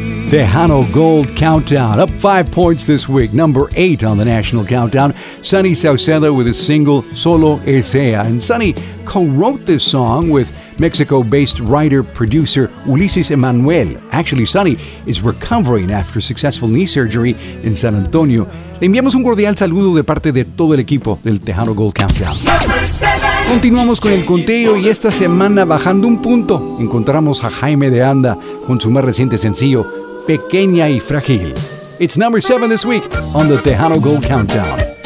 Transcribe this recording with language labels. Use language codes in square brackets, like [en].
[en] Tejano Gold Countdown, up 5 points this week, number 8 on the national countdown. Sonny Sauceda with his single Solo Es Ella. And Sonny co-wrote this song with Mexico-based writer-producer Ulises Emanuel. Actually, Sonny is recovering after successful knee surgery in San Antonio. [es] Le enviamos un cordial saludo de parte de todo el equipo del Tejano Gold Countdown. Continuamos con el conteo y esta semana, bajando un punto, encontramos a Jaime de Anda con su más reciente sencillo, Pequeña y Frágil. [en] It's number 7 this week on the Tejano Gold Countdown.